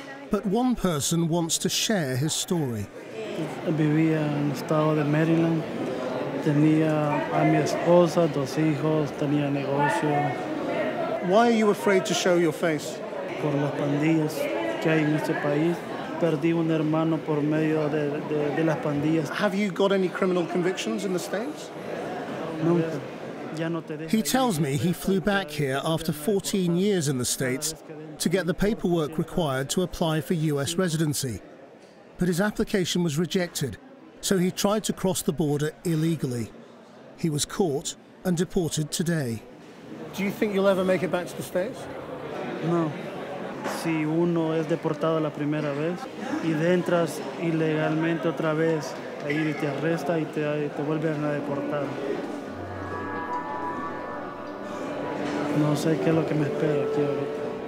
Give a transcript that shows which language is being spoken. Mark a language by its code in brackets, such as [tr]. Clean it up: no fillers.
[en] But one person wants to share his story. [es] I vivía en el estado de Maryland. Tenía a mi esposa, dos hijos, tenía negocio. [en] Why are you afraid to show your face? [es] Por las pandillas que hay en este país. Perdí un hermano por medio de las pandillas. [en] Have you got any criminal convictions in the States? [es] Nunca. [en] He tells me he flew back here after 14 years in the States to get the paperwork required to apply for U.S. residency. But his application was rejected, so he tried to cross the border illegally. He was caught and deported today. Do you think you'll ever make it back to the States? [es] No. Si uno es deportado la primera vez y entras ilegalmente otra vez, ahí te arresta y te vuelven a deportar. No sé qué es lo que me espera aquí ahorita.